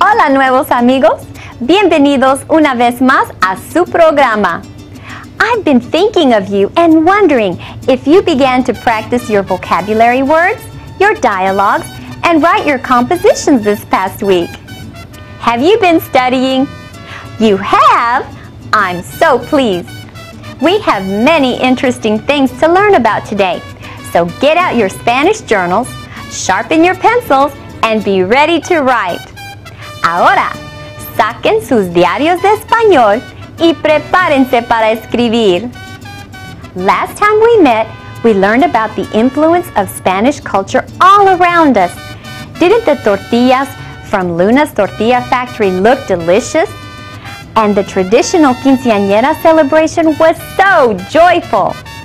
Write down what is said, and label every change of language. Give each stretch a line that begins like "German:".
Spanish: Nuevos amigos, bienvenidos una vez más a su programa.
English: I've been thinking of you and wondering if you began to practice your vocabulary words, your dialogues, and write your compositions this past week. Have you been studying? You have? I'm so pleased. We have many interesting things to learn about today, so get out your Spanish journals, sharpen your pencils, and be ready to write.
Spanish: Ahora, saquen sus diarios de español y prepárense para escribir.
English: Last time we met, we learned about the influence of Spanish culture all around us. Didn't the tortillas from Luna's Tortilla Factory look delicious? And the traditional quinceañera celebration was so joyful.